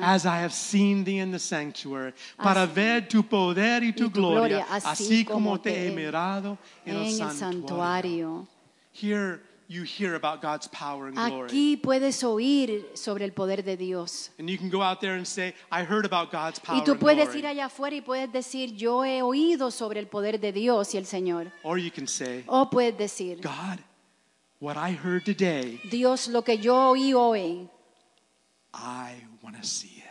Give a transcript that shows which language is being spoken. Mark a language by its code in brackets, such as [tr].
[en] As I have seen thee in the sanctuary. [es] Para ver tu poder y tu gloria. Así como te he mirado en el santuario. [en] Here you hear about God's power and glory. [es] Aquí puedes oír sobre el poder de Dios. [en] And you can go out there and say, I heard about God's power and glory. [es] Y tú puedes ir allá afuera y puedes decir, yo he oído sobre el poder de Dios y el Señor. [en] Or you can say, [es] o puedes decir, [en] God, what I heard today, [es] Dios, lo que yo oí hoy, [en] I want to see.